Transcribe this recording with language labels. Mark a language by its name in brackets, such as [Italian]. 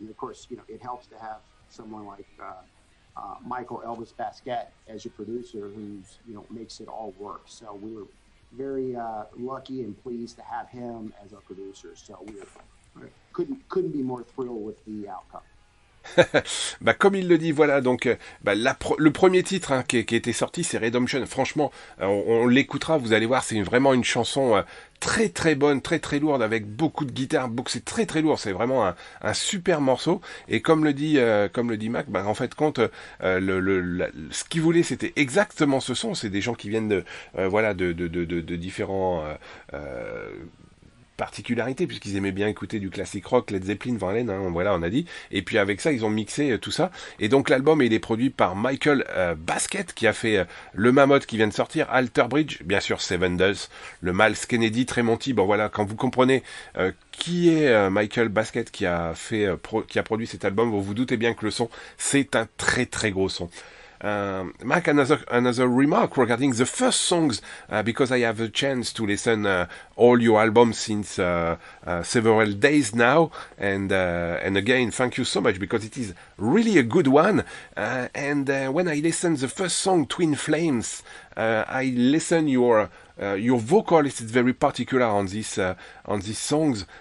[English] And of course, you know, it helps to have someone like Michael Elvis Basquette as your producer, who's, you know, makes it all work. So we were very lucky and pleased to have him as our producer. So we couldn't be more thrilled with the outcome. [French] Bah, comme il le dit, voilà, donc le premier titre hein, qui était sorti, c'est Redemption. Franchement, on l'écoutera, vous allez voir, c'est vraiment une chanson très très bonne, très très lourde, avec beaucoup de guitare, c'est très très lourd, c'est vraiment un super morceau. Et comme le dit Mac, bah, en fait, compte, ce qu'il voulait, c'était exactement ce son. C'est des gens qui viennent de différents... particularité, puisqu'ils aimaient bien écouter du classic rock, Led Zeppelin, Van Halen, hein, voilà, on a dit. Et puis avec ça, ils ont mixé tout ça. Et donc l'album, il est produit par Michael Basquette, qui a fait le Mammoth qui vient de sortir, Alter Bridge, bien sûr Seven Dust, le Miles Kennedy, Tremonti. Bon voilà, quand vous comprenez qui est Michael Basquette qui a fait qui a produit cet album, vous vous doutez bien que le son, c'est un très très gros son. [English] Mac, another remark regarding the first songs, because I have a chance to listen all your albums since several days now, and again, thank you so much, because it is really a good one, and when I listen the first song, Twin Flames, I listen your vocal, it's very particular on these songs.